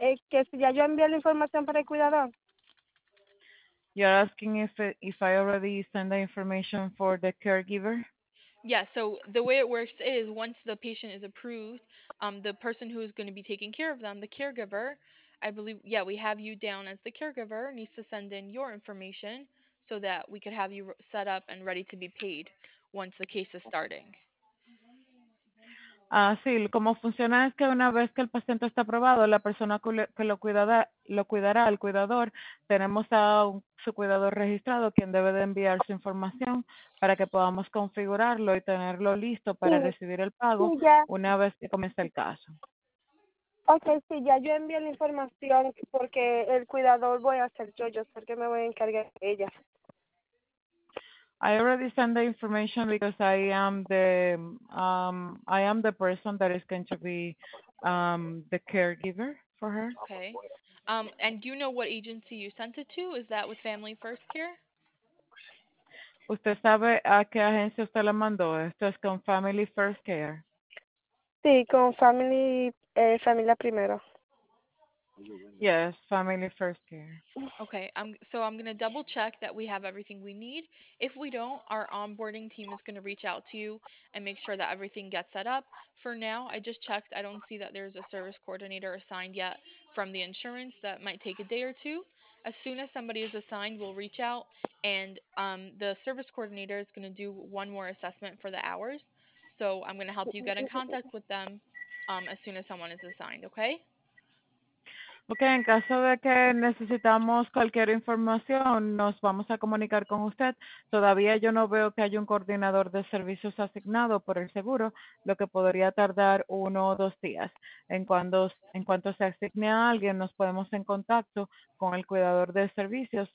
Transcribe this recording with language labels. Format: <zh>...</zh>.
<es>Que si ya yo envié la información para el cuidador.</es> <en>You're asking if I already send the information for the caregiver? Yeah, so the way it works is once the patient is approved, the person who is going to be taking care of them, the caregiver, I believe, yeah, we have you down as the caregiver, needs to send in your information so that we could have you set up and ready to be paid once the case is starting.</en> <es>Sí, como funciona es que una vez que el paciente está aprobado, la persona que lo cuidará, el cuidador, tenemos a su cuidador registrado, quien debe de enviar su información para que podamos configurarlo y tenerlo listo para Sí, recibir el pago ya. una vez que comience el caso. Okay, sí, ya yo envié la información porque el cuidador voy a ser yo sé que me voy a encargar de ella.</es> <en>I already sent the information because I am the person that is going to be the caregiver for her. Okay. And do you know what agency you sent it to? Is that with Family First Care?</en> <es>¿Usted sabe a qué agencia usted la mandó? Esto es con Family First Care. Sí, con familia primero.</es> <en>Yes, Family First Care. Okay, I'm gonna double check that we have everything we need. If we don't, our onboarding team is gonna reach out to you and make sure that everything gets set up. For now, I just checked. I don't see that there's a service coordinator assigned yet from the insurance. That might take a day or two. As soon as somebody is assigned, we'll reach out and the service coordinator is gonna do one more assessment for the hours. So I'm going to help you get in contact with them as soon as someone is assigned, okay?</en> <es>Ok, en caso de que necesitamos cualquier información, nos vamos a comunicar con usted. Todavía yo no veo que haya un coordinador de servicios asignado por el seguro, lo que podría tardar 1 o 2 días. En cuanto se asigne a alguien, nos ponemos en contacto con el cuidador de servicios.</es>